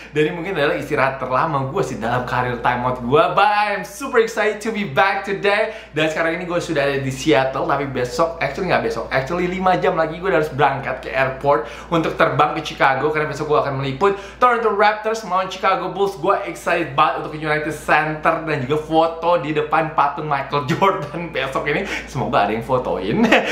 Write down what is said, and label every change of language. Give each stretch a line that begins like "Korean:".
Indonesian: Dan ini mungkin adalah istirahat terlama gue sih dalam karir Time Out gue.
English: But I'm super excited to be back today.
Indonesian: Dan sekarang ini gue sudah ada di Seattle. Tapi besok, actually 5 jam lagi gue harus berangkat ke airport untuk terbang ke Chicago. Karena besok gue akan meliput Toronto Raptors melawan Chicago Bulls. Gue excited banget untuk United Center dan juga foto di depan patung Michael Jordan besok ini, semoga ada yang fotoin.